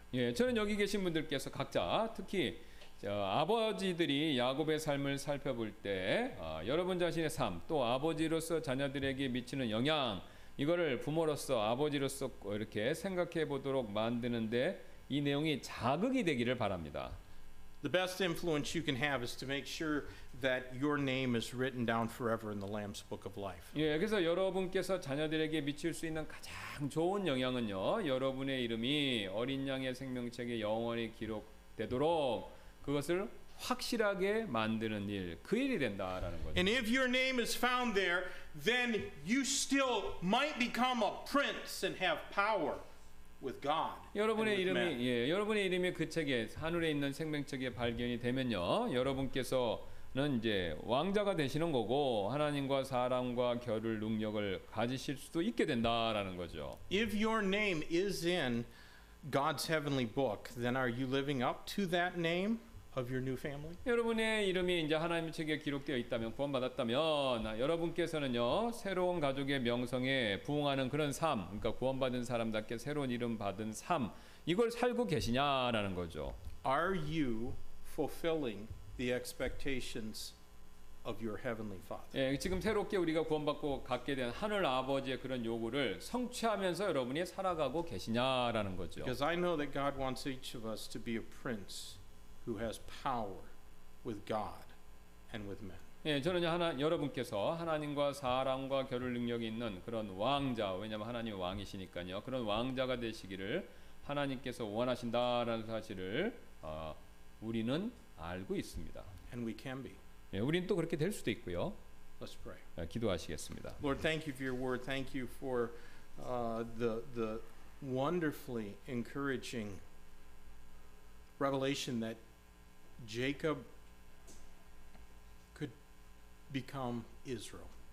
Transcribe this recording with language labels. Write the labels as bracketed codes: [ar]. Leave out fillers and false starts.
[ko] 예, 저는 여기 계신 분들께서 각자 특히 아버지들이 야곱의 삶을 살펴볼 때 여러분 자신의 삶 또 아버지로서 자녀들에게 미치는 영향 이거를 부모로서 아버지로서 이렇게 생각해 보도록 만드는데 이 내용이 자극이 되기를 바랍니다. [en] The best influence you can have is to make sure that your name is written down forever in the Lamb's Book of Life. [ko] 예, 그래서 여러분께서 자녀들에게 미칠 수 있는 가장 좋은 영향은요, 여러분의 이름이 어린 양의 생명책에 영원히 기록되도록 그것을 확실하게 만드는 일, 그 일이 된다라는 거죠. [en] And if your name is found there, then you still might become a prince and have power. With God, [ko] 여러분의 이름이 예, 여러분의 이름이 그 책에 하늘에 있는 생명책에 발견이 되면요, 여러분께서는 이제 왕자가 되시는 거고 하나님과 사람과 겨룰 능력을 가지실 수도 있게 된다라는 거죠. [en] If your name is in God's heavenly book, then are you living up to that name of your new family? [ko] 여러분의 이름이 이제 하나님의 책에 기록되어 있다면 구원받았다면 여러분께서는요 새로운 가족의 명성에 부응하는 그런 삶, 그러니까 구원받은 사람답게 새로운 이름 받은 삶 이걸 살고 계시냐라는 거죠. [en] Are you fulfilling the expectations of your heavenly father? [ko] 예, 지금 새롭게 우리가 구원받고 갖게 된 하늘 아버지의 그런 요구를 성취하면서 여러분이 살아가고 계시냐라는 거죠. [en] Because I know that God wants each of us to be a prince. Who has power with God and with men? [ko] 예, 저는요 하나 여러분께서 하나님과 사람과 겨룰 능력이 있는 그런 왕자, 왜냐하면 하나님 왕이시니까요. 그런 왕자가 되시기를 하나님께서 원하신다라는 사실을 우리는 알고 있습니다. [en] And we can be. [ko] 예, 우리는 또 그렇게 될 수도 있고요. [en] Let's pray. [ko] 예, 기도하시겠습니다. [en] Lord, thank you for your word. Thank you for the wonderfully encouraging revelation that. Jacob could become Israel.